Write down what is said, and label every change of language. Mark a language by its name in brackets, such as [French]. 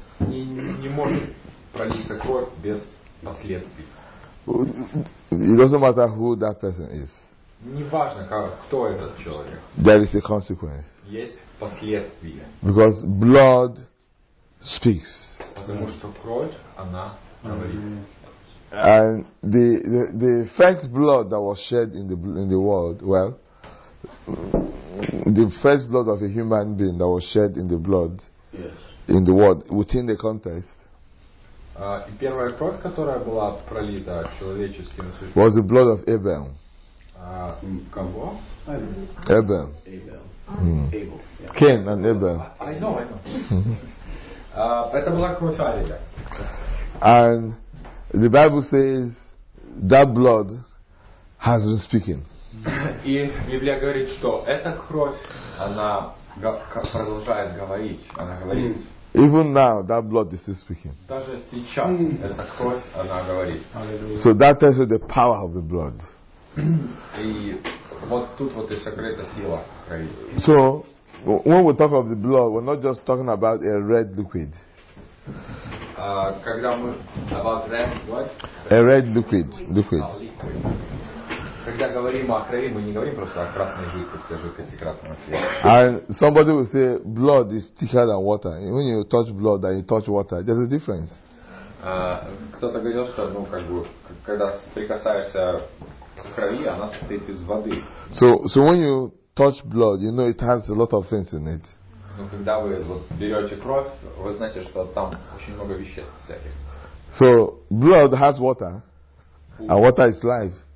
[Russian] Не может пролиться кровь без последствий. [English] It doesn't matter who that person is. [Russian] Не важно, кто этот человек. [English] There is a consequence. [Russian] Есть последствия. [English] Because blood speaks. [Russian] Потому что кровь, она говорит. [English] And the first blood that was shed in the world, well, the first blood of a human being that was shed in the blood, yes, in the world within the context, [Russian] и первая кровь, которая была пролита человеческим существом, [English] was the blood of Abel. [Russian] Кого? [English] Abel. Abel. Cain and Abel. I know. [Russian] Это была кровь Авеля. [English] And The Bible says that blood has been speaking. [Russian] И Библия говорит, что эта кровь, она продолжает говорить, она говорит. [English] Even now, that blood is still speaking. [Russian] Даже сейчас эта кровь, она говорит. [English] So that tells you the power of the blood. [Russian] И вот тут вот и сокрыта сила крови. [English] So when we talk of the blood, we're not just talking about a red liquid. [Russian] Когда мы [English] about red blood. A red liquid. Liquid. [Russian] Когда говорим о крови, мы не говорим просто о красной жидкости, о жидкости красного цвета. [English] And somebody will say blood is thicker than water. When you touch blood and you touch water, there's a difference. [Russian] Кто-то говорил, что ну как бы когда прикасаешься к крови, она состоит из воды. [English] So when you touch blood, you know it has a lot of things in it. [Russian] Ну когда вы вот берете кровь, вы знаете, что там очень много веществ всяких. [English] So blood has water, and water is life.